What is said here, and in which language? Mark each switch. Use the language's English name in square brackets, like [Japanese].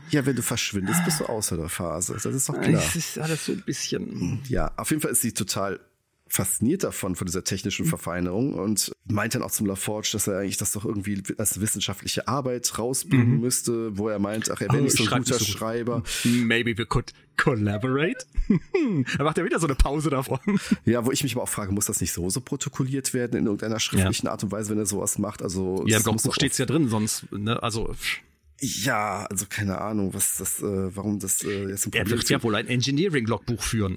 [German] Ja, wenn du verschwindest, bist du außer der Phase. Das ist doch klar. Das ist alles so ein bisschen. Ja, auf jeden Fall ist sie total fasziniert davon, von dieser technischen Verfeinerung und meint dann auch zum LaForge, dass er eigentlich das doch irgendwie als wissenschaftliche Arbeit rausbringen müsste, wo er meint, ach, er wäre nicht so ein guter Schreiber. [English] Maybe we could collaborate? [German] Er macht ja wieder so eine Pause davon. Ja, wo ich mich aber auch frage, muss das nicht so protokolliert werden in irgendeiner schriftlichen Art und Weise, wenn er sowas macht? Also, ja, im Buch steht es ja drin, sonst, ne, also. Ja, also keine Ahnung, was das, warum das jetzt ein Problem ist. Er wird ja wohl ein Engineering-Logbuch führen.